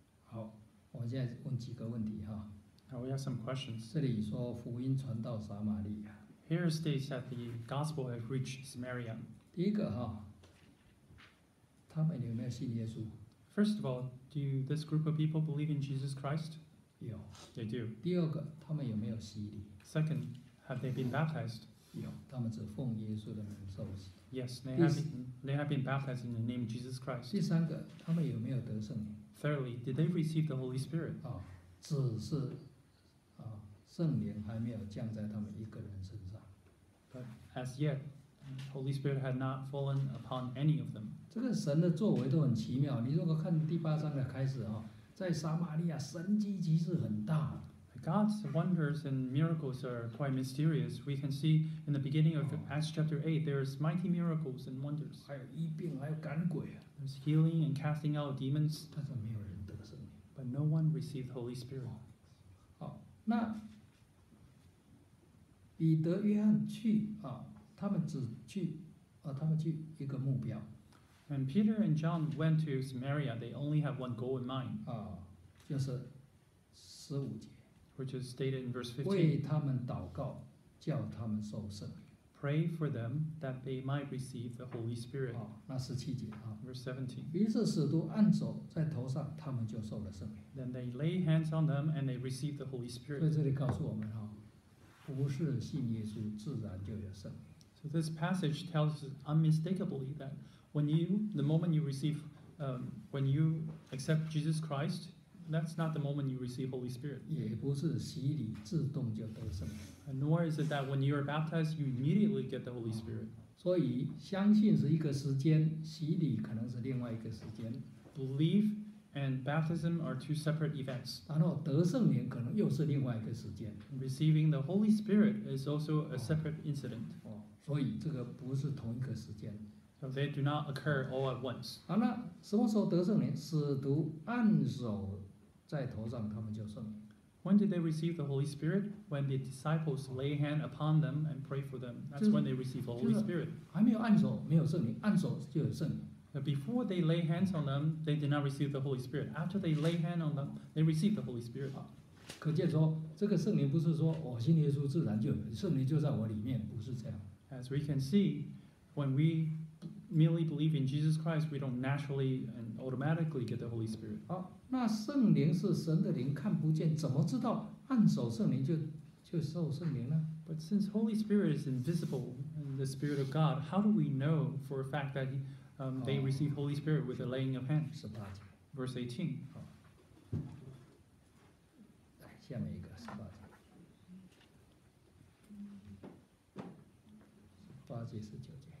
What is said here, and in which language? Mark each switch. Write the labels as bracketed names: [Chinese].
[Chinese] 好，我现在问几个问题哈。 [English] We have some questions. [Chinese] 这里说福音传到撒玛利亚。 [English] Here states that the gospel had reached Samaria. [Chinese] 第一个哈，他们有没有信耶稣？ [English] First of all, do this group of people believe in Jesus Christ? Yeah. They do. [Chinese] 第二个，他们有没有洗礼？ [English] Second, have they been baptized? Yeah. [Chinese] 他们只奉耶稣的名受洗。 [English] Yes, they have been baptized in the name of Jesus Christ. [Chinese] 第三个，他们有没有得圣灵？ [English] Thirdly, did they receive the Holy Spirit? [Chinese] 只是圣灵还没有降在他们一个人身上。 [English] But as yet, Holy Spirit had not fallen upon any of them. [Chinese] 这个神的作为都很奇妙。你如果看第八章的开始啊，在撒玛利亚神迹其实很大。 [English] God's wonders and miracles are quite mysterious. We can see in the beginning of Acts chapter 8, there's mighty miracles and wonders. [Chinese] 还有医病，还有赶鬼。 [English] There's healing and casting out demons. [Chinese] 但是没有人得圣灵。 [English] But no one received Holy Spirit. [Chinese] 好，那彼得、约翰去啊。他们只去，他们去一个目标。 [English] And Peter and John went to Samaria. They only have one goal in mind. [Chinese] 就是十五节。 [English] Which is stated in verse 15. [Chinese] 为他们祷告，叫他们受圣灵。 [English] Pray for them that they might receive the Holy Spirit. [Chinese] 那十七节啊。 [English] Verse 17. [Chinese] 于是使徒按手在头上，他们就受了圣灵。 [English] Then they lay hands on them and they receive the Holy Spirit. [Chinese] 所以这里告诉我们啊，不是信耶稣自然就有圣灵。 [English] So this passage tells us unmistakably that when you accept Jesus Christ, that's not the moment you receive Holy Spirit. [Chinese] 也不是洗礼自动就得圣灵。 [English] Nor is it that when you are baptized, you immediately get the Holy Spirit. [Chinese] 所以相信是一个时间，洗礼可能是另外一个时间。 [English] Belief and baptism are two separate events. [Chinese] 然后得圣灵可能又是另外一个时间。 [English] Receiving the Holy Spirit is also a separate incident. [Chinese] 所以这个不是同一个时间。 [English] So they do not occur all at once. [Chinese] 好，那什么时候得圣灵？使徒按手在头上，他们就圣灵。 [English] When did they receive the Holy Spirit? When the disciples lay hand upon them and pray for them. That's when they receive the Holy Spirit. [Chinese] 还没有按手，没有圣灵。按手就有圣灵。 [English] But before they lay hands on them, they did not receive the Holy Spirit. After they lay hand on them, they received the Holy Spirit. [Chinese] 可见说，这个圣灵不是说我信耶稣自然就有，圣灵就在我里面，不是这样。 [English] As we can see, when we merely believe in Jesus Christ, we don't naturally automatically get the Holy Spirit. [Chinese] 好，那圣灵是神的灵，看不见，怎么知道按手圣灵就受圣灵呢？ [English] But since Holy Spirit is invisible, the Spirit of God, how do we know for a fact that they receive Holy Spirit with the laying of hands? [Chinese] 十八节 [English] ，verse 18。 [Chinese] 好，下面一个十八节，八节十九节。